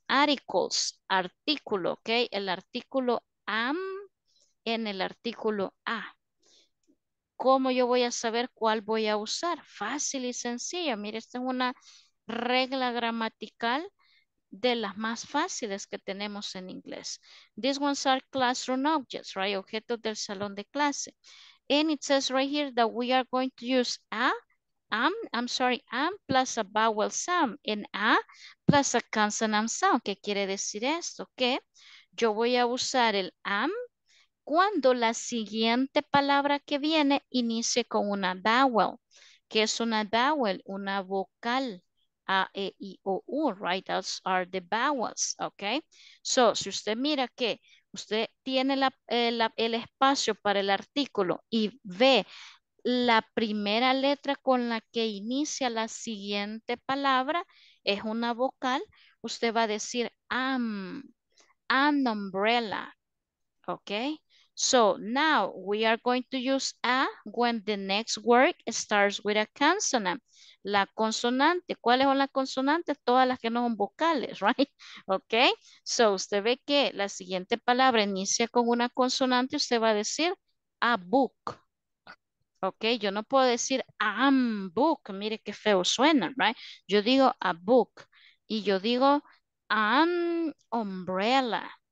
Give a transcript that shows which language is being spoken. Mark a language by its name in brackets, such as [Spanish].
[Spanish] Articles, artículo, okay? El artículo am en el artículo a. ¿Cómo yo voy a saber cuál voy a usar? Fácil y sencillo. Mire, esta es una regla gramatical de las más fáciles que tenemos en inglés. [English] These ones are classroom objects, right? [Spanish] Objetos del salón de clase. [English] And it says right here that we are going to use a, am plus a vowel sound. And a plus a consonant sound. [Spanish] ¿Qué quiere decir esto? Que yo voy a usar el am cuando la siguiente palabra que viene inicie con una vowel. ¿Qué es una vowel? Una vocal. A, E, I, O, U, right? [English] Those are the vowels, okay? [Spanish] So, si usted mira que usted tiene el espacio para el artículo y ve la primera letra con la que inicia la siguiente palabra, es una vocal, usted va a decir [English] an umbrella, okay? So now we are going to use a when the next word starts with a consonant. [Spanish] La consonante, ¿cuáles son las consonantes? Todas las que no son vocales, right? [English] Okay, so [Spanish] usted ve que la siguiente palabra inicia con una consonante, usted va a decir [English] a book. [Spanish] Okay, yo no puedo decir [English] am book, [Spanish] mire qué feo suena, right? Yo digo [English] a book [Spanish] y yo digo [English] an umbrella.